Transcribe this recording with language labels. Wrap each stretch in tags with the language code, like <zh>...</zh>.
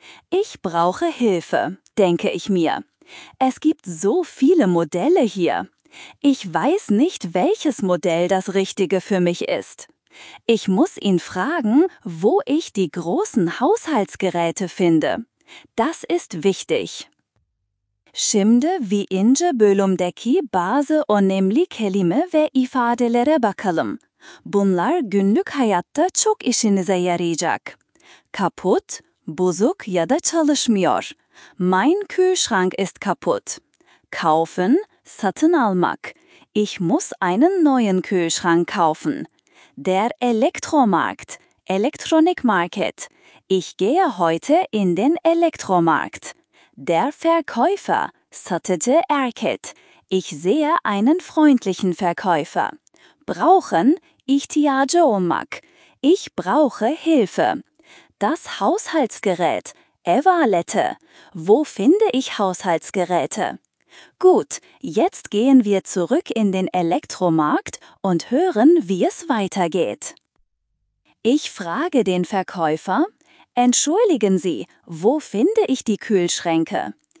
<de>Ich brauche Hilfe, denke ich mir. Es gibt so viele Modelle hier. Ich weiß nicht, welches Modell das richtige für mich ist. Ich muss ihn fragen, wo ich die großen Haushaltsgeräte finde. Das ist wichtig.</de> <tr>Şimdi bir ince bölümdeki bazı önemli kelime ve ifadelere bakalım. Bunlar günlük hayatta çok işinize yarayacak. Kaputt, bozuk ya da çalışmıyor.</tr> <de>Mein Kühlschrank ist kaputt. Kaufen,</de> <tr>satın almak.</tr> <de>Ich muss einen neuen Kühlschrank kaufen. Der Elektromarkt,</de> <en>Electronic Market.</en> <de>Ich gehe heute in den Elektromarkt. Der Verkäufer,</de> <tr>Satıcı Erkek.</tr> <de>Ich sehe einen freundlichen Verkäufer.</de> <tr>Brauchen, ihtiyacı olmak.</tr> <de>Ich brauche Hilfe. Das Haushaltsgerät, Evalete. Wo finde ich Haushaltsgeräte? Gut, jetzt gehen wir zurück in den Elektromarkt und hören, wie es weitergeht. Ich frage den Verkäufer: Entschuldigen Sie, wo finde ich die Kühlschränke?</de>